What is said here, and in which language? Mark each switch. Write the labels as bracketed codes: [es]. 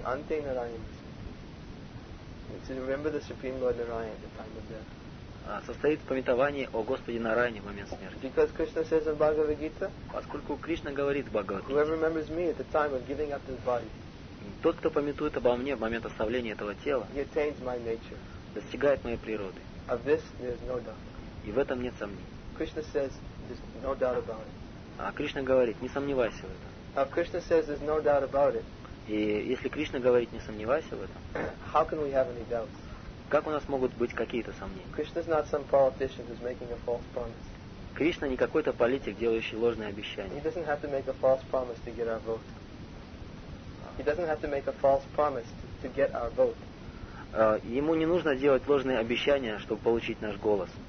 [en] Ante Narayana, to remember the supreme Lord Narayana at the time of death. [ru] Состоит в памятовании о Господе Нарайне в момент смерти. [en] Because Krishna says in Bhagavad Gita, [ru] поскольку Кришна говорит в Бхагавад-гите, [en] whoever remembers me at the time of giving up his body, [ru] тот, кто памятует обо мне в момент оставления этого тела, [en] he attains my nature, [ru] достигает моей природы. [en] Of this there is no doubt. [ru] И в этом нет сомнений. [en] Krishna says there's no doubt about it. [ru] А Кришна говорит, не сомневайся в этом. [en] If Krishna says there's no doubt about it, [ru] и если Кришна говорит, не сомневайся в этом, [en] how can we have any doubts? [ru] Как у нас могут быть какие-то сомнения? [en] Krishna is not some politician who's making a false promise. [ru] Кришна не какой-то политик, делающий ложные обещания. [en] He doesn't have to make a false promise to get our vote. He doesn't have to make a false promise to get our vote. [ru] Ему не нужно делать ложные обещания, чтобы получить наш голос.